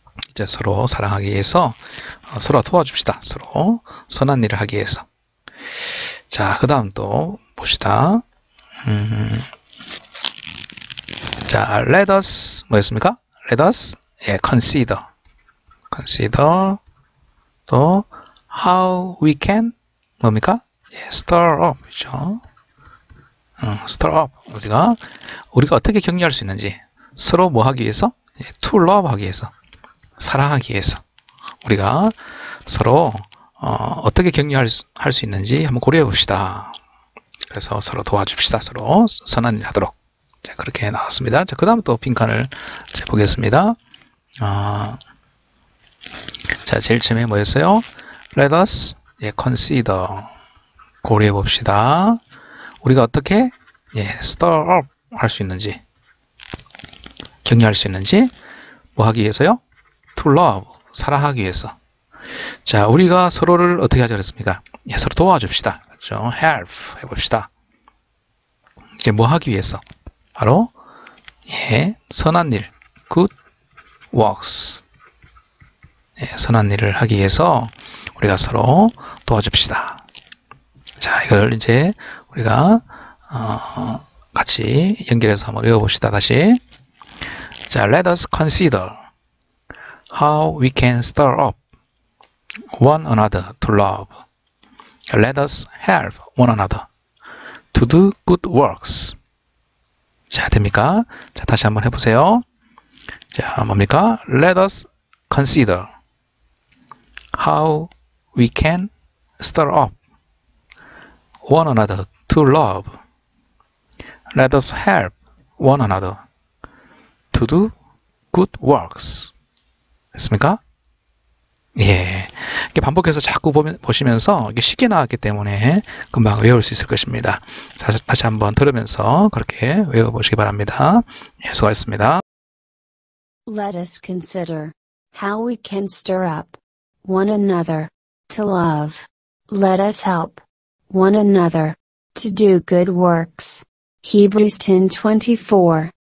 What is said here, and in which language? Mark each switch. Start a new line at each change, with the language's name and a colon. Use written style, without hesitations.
Korean: 이제 서로 사랑하기 위해서 서로 도와줍시다. 서로 선한 일을 하기 위해서. 자, 그 다음 또 봅시다. 자,
English: let us
Korean: 뭐였습니까?
English: Let us consider. consider
Korean: 또
English: how we can
Korean: 뭡니까?
English: stir up
Korean: 그렇죠?
English: stir up
Korean: 우리가 어떻게 격려할 수 있는지 서로 뭐 하기 위해서?
English: to love
Korean: 하기 위해서. 사랑하기 위해서 우리가 서로 어떻게 격려할 수 있는지 한번 고려해 봅시다. 그래서 서로 도와줍시다. 서로 선한 일 하도록. 자, 그렇게 나왔습니다. 자, 그다음 또 빈칸을 보겠습니다. 자, 제일 처음에 뭐였어요?
English: Let us consider
Korean: 고려해 봅시다. 우리가 어떻게
English: stir up
Korean: 할수 있는지 격려할 수 있는지 뭐 하기 위해서요?
English: To love,
Korean: 사랑하기 위해서. 자, 우리가 서로를 어떻게 하자 그랬습니까? 예, 서로 도와줍시다. 그렇죠? Help 해봅시다. 이제 뭐 하기 위해서? 바로 선한 일,
English: good works.
Korean: 선한 일을 하기 위해서 우리가 서로 도와줍시다. 자, 이걸 이제 우리가 같이 연결해서 한번 읽어봅시다. 다시. 자,
English: let us consider. How we can stir up one another to love. Let us help one another to do good works.
Korean: 자, 됩니까? 자, 다시 한번 해보세요. 자, 뭡니까?
English: Let us consider how we can stir up one another to love. Let us help one another to do good works.
Korean: 됐습니까? 예. 이렇게 반복해서 자꾸 보시면서 이게 쉽게 나왔기 때문에 금방 외울 수 있을 것입니다. 다시 한번 들으면서 그렇게 외워보시기 바랍니다. 예, 수고하셨습니다.
English: Let us consider how we can stir up one another to love. Let us help one another to do good works. Hebrews 10:24.